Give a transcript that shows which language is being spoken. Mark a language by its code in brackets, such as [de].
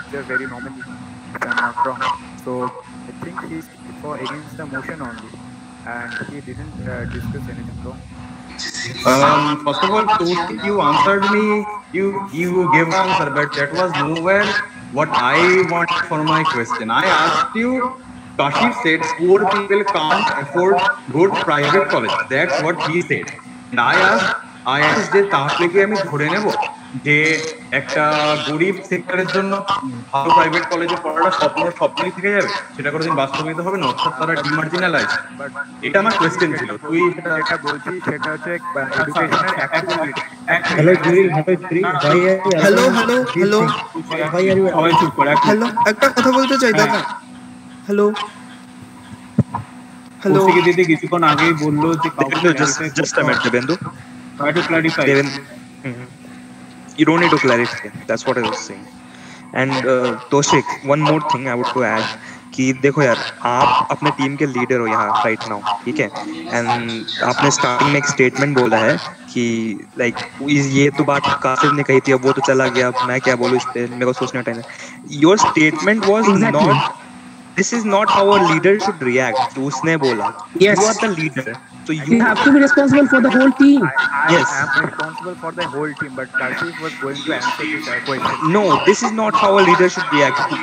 [en] They are very nominal, if I'm not wrong. So I think he's for against the motion only, and he didn't discuss anything wrong. First of all, Toshi, you answered me. You gave an answer, but that was nowhere what I want for my question. I asked you, Kashi said poor people can't afford good private college. That's what he said. And I asked [bn] যে তাহলে আমি ধরে নেব যে একটা গরিব সেক্টরের জন্য ভালো প্রাইভেট কলেজে পড়াটা স্বপ্নই থেকে যাবে, সেটা কোনোদিন বাস্তবায়িত হবে না, অর্থাৎ তারা ডিমার্জিনালাইজ। এটা আমার কোয়েশ্চেন ছিল। তুই যেটা বলছিস সেটা হচ্ছে এডুকেশনাল অ্যাক্টিভিটি। হ্যালো একটা কথা বলতে চাই দাদা। হ্যালো হ্যালো ওকে দিদি, কিছুক্ষণ আগেই বললো যে জাস্ট আমি একটা বিন্দু [en] try to clarify. Devin, mm-hmm. You don't need to clarify. That's what I was saying. And Toshik, one more thing I would to add. [hi] कि देखो यार, आप अपने टीम के लीडर हो यहाँ [en] right now, [hi] ठीक है? एंड आपने स्टार्टिंग में एक स्टेटमेंट बोला है कि लाइक ये तो बात कासिम ने कही थी, अब वो तो चला गया, मैं क्या बोलूँ इस पे, मेरे को सोचने का टाइम है। [en] Your statement was not, this is not how a leader should react. [hi] To usne bola, [en] yes, you are the leader, so you have to be responsible for the whole team. I am responsible for the whole team, but Karthik was going to answer this question. No, this is not how a leader should react.